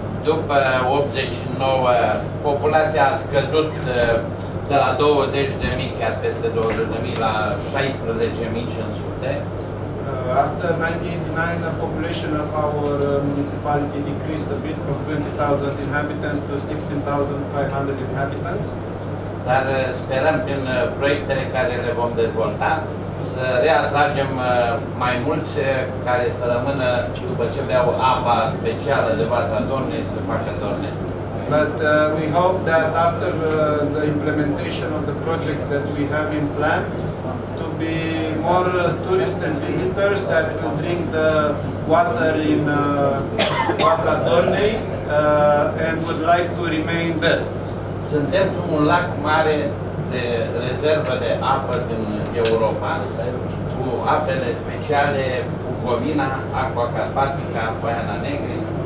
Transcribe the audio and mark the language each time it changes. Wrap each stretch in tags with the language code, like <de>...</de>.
<ro>După 89, populația a scăzut de la 20.000, chiar peste 20.000, la 16.500.</ro> <en>After 1989, the population of our municipality decreased a bit from 20.000 inhabitants to 16.500 inhabitants.</en> <ro>Dar sperăm prin proiectele care le vom dezvolta să reatragem mai mulți care să rămână după ce beau apa specială de Vatra Dornei să facă Dorne.</ro> <en>But we hope that after the implementation of the projects that we have in plan, to be more tourists and visitors that will drink the water in Vatra Dornei and would like to remain there.</en> <ro>Suntem sub un lac mare de rezervă de apă din Europa, cu apele speciale Bucovina, Aqua Carpatica, Poiana Negri.</ro>